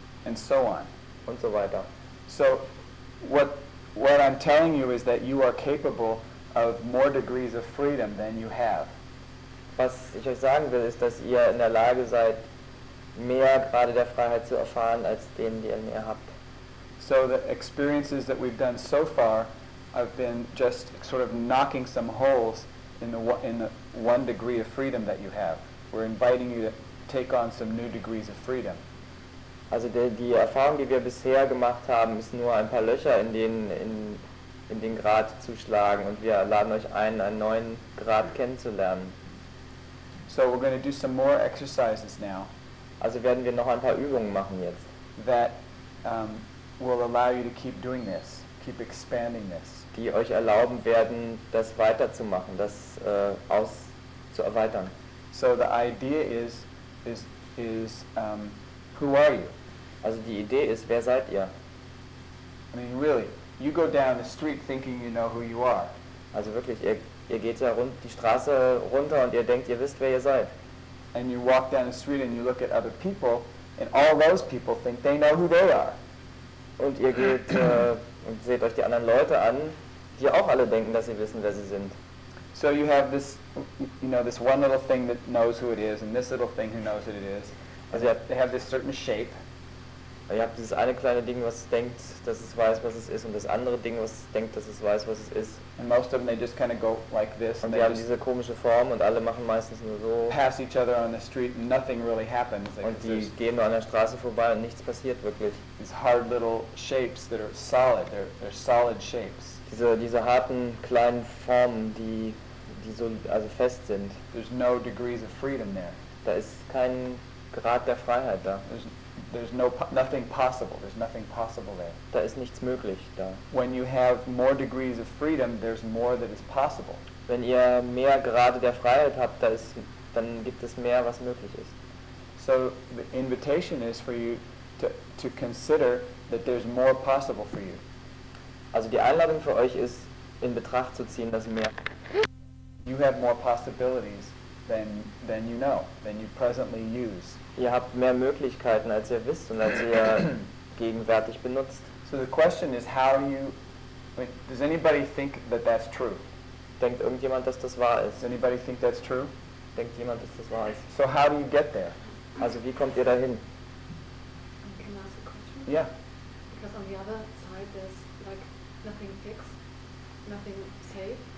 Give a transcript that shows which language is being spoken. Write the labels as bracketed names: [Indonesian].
[English] And so on. [German] Und so weiter. [English] So what I'm telling you is that you are capable of more degrees of freedom than you have. [German] Was ich euch sagen will, ist, dass ihr in der Lage seid, mehr Grade der Freiheit zu erfahren als denen, die ihr habt. [English] So the experiences that we've done so far have been just sort of knocking some holes in the one degree of freedom that you have. We're inviting you to take on some new degrees of freedom. [German] Also die Erfahrung, die wir bisher gemacht haben, ist nur ein paar Löcher in den Grad zu schlagen, und wir laden euch ein, einen neuen Grad kennenzulernen. [English] So we're going to do some more exercises now. [German] Also werden wir noch ein paar Übungen machen jetzt. [English] That will allow you to keep doing this, keep expanding this. [German] Die euch erlauben werden, das weiterzumachen, das zu erweitern. [English] So the idea is who are you? [German] Also die Idee ist, wer seid ihr? [English] I mean really, you go down the street thinking you know who you are. [German] Also wirklich, ihr geht ja rund die Straße runter und ihr denkt, ihr wisst, wer ihr seid. [English] And you walk down the street and you look at other people and all those people think they know who they are. [German] Und ihr geht und seht euch die anderen Leute an, die auch alle denken, dass sie wissen, wer sie sind. [English] So you have this, you know, this one little thing that knows who it is and this little thing who knows what it is. [German] Also [English] they have this certain shape. [German] Ihr habt dieses eine kleine Ding, was denkt, dass es weiß, was es ist, und das andere Ding, was denkt, dass es weiß, was es ist. [English] And most of them, they just kind of go like this. [German] Und die haben diese komische Form, und alle machen meistens nur so. [English] Pass each other on the street, and nothing really happens. [German] Und die gehen nur an der Straße vorbei, und nichts passiert wirklich. [English] These hard little shapes that are solid. They're solid shapes. [German] Diese harten kleinen Formen, die so also fest sind. [English] There's no degrees of freedom there. [German] Da ist kein Grad der Freiheit da. [English] There's nothing possible there. [German] Da ist nichts möglich da. [English] When you have more degrees of freedom, there's more that is possible. [German] Wenn ihr mehr Grade der Freiheit habt, dann gibt es mehr, was möglich ist. [English] So the invitation is for you to consider that there's more possible for you. [German] Also die Einladung für euch ist, in Betracht zu ziehen, dass mehr. [English] You have more possibilities than you know, than you presently use. [German] Ihr habt mehr Möglichkeiten, als ihr wisst und als ihr gegenwärtig benutzt. [English] So the question is how you, does anybody think that that's true? [German] Denkt irgendjemand, dass das wahr ist? [English] Does anybody think that's true? [German] Denkt jemand, dass das wahr ist? [English] So how do you get there? [German] Also wie kommt ihr dahin? [English] Can I ask a question? Yeah. Because on the other side there's like nothing fixed, nothing safe.